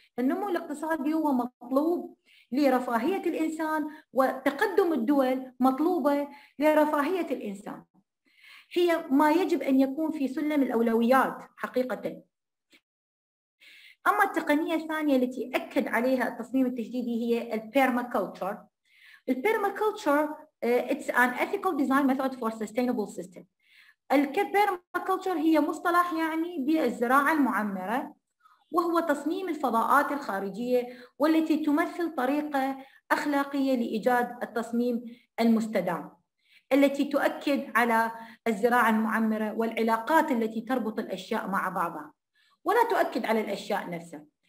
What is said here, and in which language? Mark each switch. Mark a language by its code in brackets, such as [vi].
[ar] النمو الاقتصادي هو مطلوب لرفاهية الإنسان، وتقدم الدول مطلوبة لرفاهية الإنسان، هي ما يجب أن يكون في سلم الأولويات حقيقة. أما التقنية الثانية التي أكد عليها التصميم التجديدي هي البيرماكولتشر. [en] البيرماكولتشر it's an ethical design method for sustainable system. [ar] البيرماكولتشر هي مصطلح يعني بالزراعة المعمرة، وهو تصميم الفضاءات الخارجية والتي تمثل طريقة أخلاقية لإيجاد التصميم المستدام، التي تؤكد على الزراعة المعمرة والعلاقات التي تربط الأشياء مع بعضها ولا تؤكد على الأشياء نفسها.